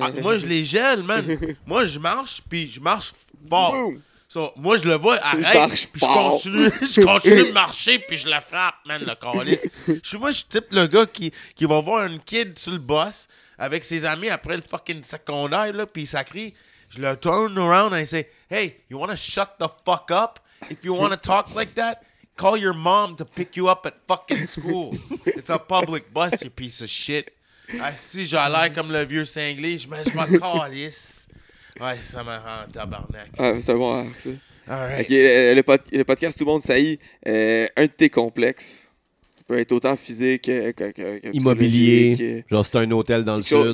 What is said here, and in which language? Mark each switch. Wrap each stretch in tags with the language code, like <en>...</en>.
<fr>Ah, moi, je les gèle, man. Moi, je marche, puis je marche fort. So, moi, je le vois, arrête, puis je continue de marcher, puis je la frappe, man, le calice. Moi, je suis type le gars qui va voir un kid sur le boss avec ses amis après le fucking secondaire, là, puis ça crie.</fr> <en>Je le turn around and I say, hey, you want to shut the fuck up? If you want to talk like that, call your mom to pick you up at fucking school. It's a public bus, you piece of shit.</en> <fr>Si j'ai l'air comme le vieux cinglé, je me calice. Ouais, ça m'a rendu tabarnak. Ah, c'est bon, ça. All</fr> <en>right.</en> <fr>Okay, le podcast, tout le monde saillit. Un de tes complexes peut être autant physique que immobilier. Genre, c'est un hôtel dans le sud.</fr>